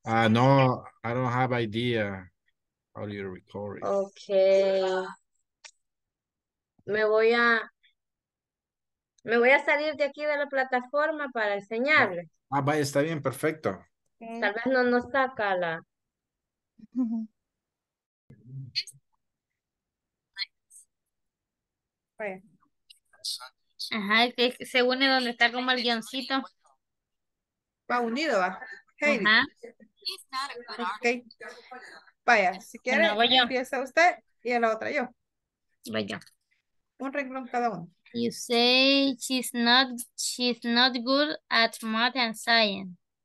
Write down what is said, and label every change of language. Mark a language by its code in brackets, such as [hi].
[en] No, I don't have idea how you record it. Okay. [es] Me voy a salir de aquí de la plataforma para enseñarles. Ah, vaya, está bien, perfecto. Tal vez no nos saca la. Ajá, que se une donde está como el guioncito. Va unido, va. Hey. Ajá. Okay. Vaya, si quiere, bueno, empieza usted y a la otra yo. Vaya. Un renglón cada uno. [en] You say she's not good at math and science.